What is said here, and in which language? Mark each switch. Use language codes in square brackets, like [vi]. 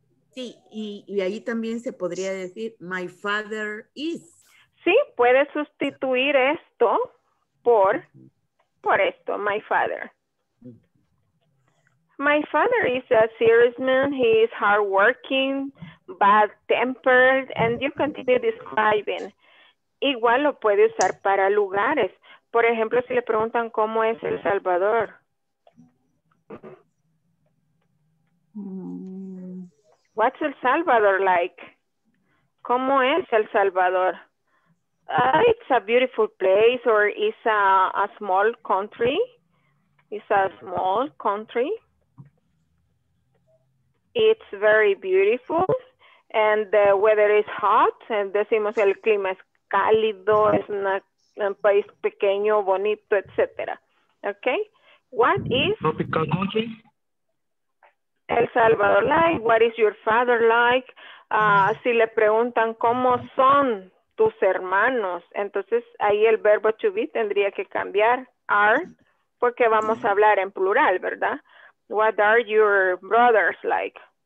[es] Sí, y ahí también se podría decir, [en] my father is. [es] Sí, puede sustituir esto por esto, [en] my father. My father is a serious man, he is hardworking, bad tempered, and you continue describing. [es] Igual lo puede usar para lugares. Por ejemplo, si le preguntan cómo es El Salvador. [en] What's El Salvador like? [es] ¿Cómo es El Salvador? [en] It's a beautiful place, or it's a small country. It's a small country. It's very beautiful. And the weather is hot, and [es] decimos el clima es cálido, es una, un país pequeño, bonito, etc. [en] Okay? What is... Tropical country? El Salvador like, what is your father like? [es] Si le preguntan cómo son tus hermanos, entonces ahí el verbo to be tendría que cambiar, are, porque vamos a hablar en plural, ¿verdad? [en] What are your brothers like?